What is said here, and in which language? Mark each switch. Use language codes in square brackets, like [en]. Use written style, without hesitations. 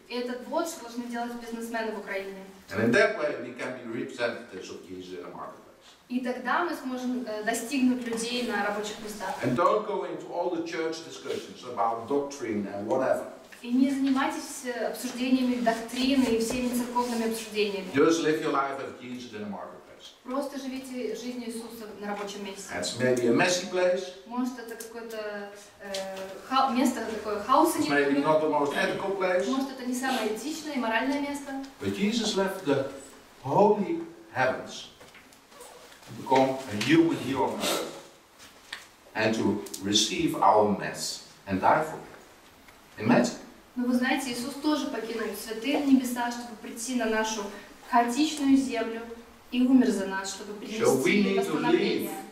[ru] И это вот, что должны делать бизнесмены в Украине. [en] And in that way we can be representatives of Kyiv in the marketplace. [ru] И тогда мы сможем достигнуть людей на рабочих местах. [en] And don't go into all the church discussions about doctrine and whatever. [ru] И не занимайтесь обсуждениями доктрины и всеми церковными обсуждениями. [en] Just live your life as Jesus in the marketplace. [ru] Просто живите жизнью Иисуса на рабочем месте. [en] That's maybe a messy place. [ru] Может, это какое-то место такое хаоса. [en] It's maybe not the most ethical place. [ru] Может, это не самое этичное и моральное место. [en] But Jesus left the holy heavens to become a human here on earth and to receive our mess and die for it. [ru] Но вы знаете, Иисус тоже покинул святые небеса, чтобы прийти на нашу хаотичную землю и умер за нас, чтобы принести